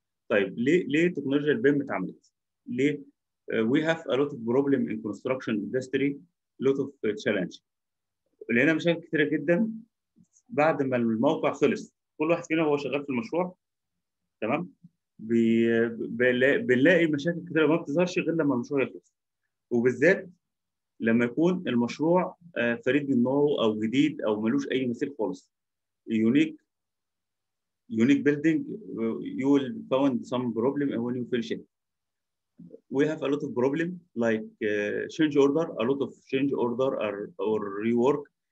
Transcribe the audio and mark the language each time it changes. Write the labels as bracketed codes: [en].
[ar] طيب ليه تكنولوجيا البيم اتعملت؟ ليه؟ [en] we have a lot of problem in construction industry, lot of challenge. [ar] لقينا مشاكل كتيرة جدا بعد ما الموقع خلص، كل واحد فينا هو شغال في المشروع تمام؟ بنلاقي مشاكل كتيرة ما بتظهرش غير لما المشروع يخلص. وبالذات لما يكون المشروع فريد من نوعه أو جديد أو ملوش أي مثيل خالص. [en] Unique building you will found some problem when you finish it. We have a lot of problem like change order, a lot of change order or rework.